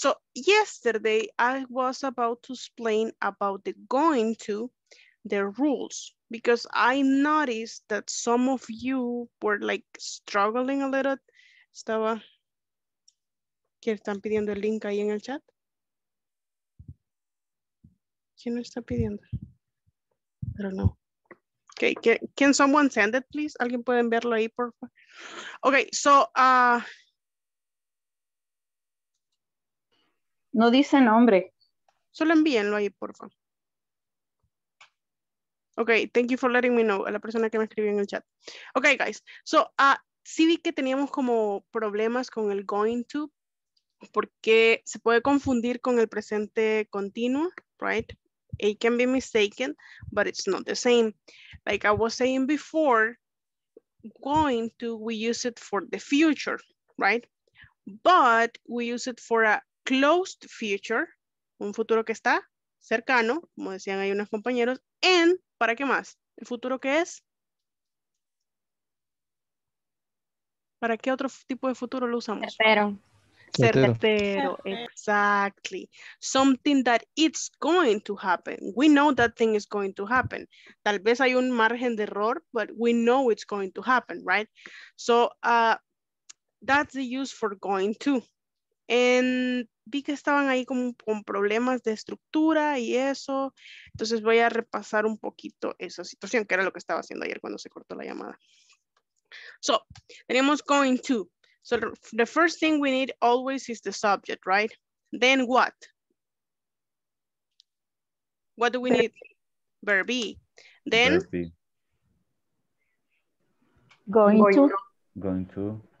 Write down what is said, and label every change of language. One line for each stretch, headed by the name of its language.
English: So, yesterday I was about to explain about the going to the rules because I noticed that some of you were like struggling a little.
Spanish: Estaba... ¿Quién están pidiendo el link ahí en el chat? ¿Quién lo está pidiendo?
English: I don't know. Okay, can someone send it, please?
Spanish: ¿Alguien puede enviarlo ahí, por favor?
English: Okay, so...
Spanish: No dice nombre. Solo envíenlo ahí, por favor.
English: Okay, thank you for letting me know,
Spanish: a la persona que me escribió en el chat.
English: Okay, guys.
Spanish: So, sí vi que teníamos como problemas con el going to, porque se puede confundir con el presente continuo, right?
English: It can be mistaken, but it's not the same. Like I was saying before, going to, we use it for the future, right? But we use it for a closed future,
Spanish: un futuro que está cercano, como decían ahí unos compañeros, and ¿Para qué más? ¿El futuro qué es? ¿Para qué otro tipo de futuro lo usamos? Certero. Certero,
English: exactly. Something that it's going to happen. We know that thing is going to happen.
Spanish: Tal vez hay un margen de error,
English: but we know it's going to happen, right? So that's the use for going to.
Spanish: And vi que estaban ahí con problemas de estructura y eso. Entonces voy a repasar un poquito esa situación, que era lo que estaba haciendo ayer cuando se cortó la llamada. So, tenemos going to.
English: So, the first thing we need always is the subject, right? Then what? What do we need? Verb be. Then? Going to.